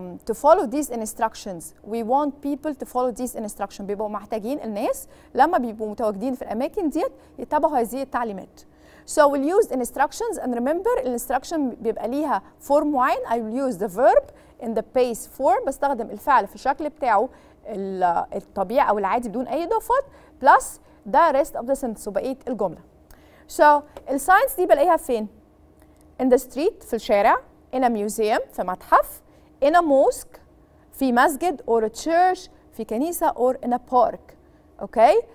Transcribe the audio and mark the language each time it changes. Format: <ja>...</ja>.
<en>To follow these instructions, we want people to follow these instructions.</en> <ar>بيبقوا محتاجين الناس لما بيبقوا متواجدين في الأماكن ديت يتبعوا هذه التعليمات.</ar> <en>So we'll use instructions and remember instruction</en> <ar>بيبقى ليها</ar> <en>form معين. I will use the verb in the base form.</en> <ar>بستخدم الفعل في الشكل بتاعه الطبيعي أو العادي بدون أي إضافات</ar> <en>plus the rest of the sentence</en> <ar>وبقية الجملة.</ar> <en>So the signs</en> <ar>دي بلاقيها فين؟</ar> <en>In the street</en> <ar>في الشارع,</ar> <en>in a museum</en> <ar>في متحف,</ar> <en>in a mosque</en> <ar>في مسجد</ar> <en>or a church</en> <ar>في كنيسة</ar> <en>or in a park. Okay?</en>